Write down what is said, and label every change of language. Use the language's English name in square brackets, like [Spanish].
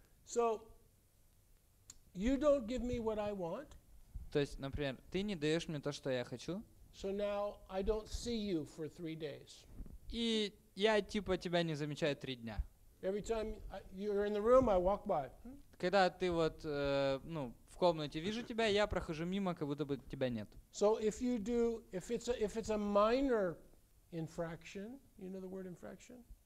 [English] So you don't give me what I want. [Russian] То есть, например, ты не даешь мне то, что я хочу. [English] So now I don't see you for 3 days. [Russian] И я типа тебя не замечаю 3 дня. [English] Every time you're in the room, I walk by. [Russian] Когда ты вот в комнате вижу тебя, я прохожу мимо, как будто бы тебя нет. [English] So if you do, if it's a minor infraction, you know the word infraction?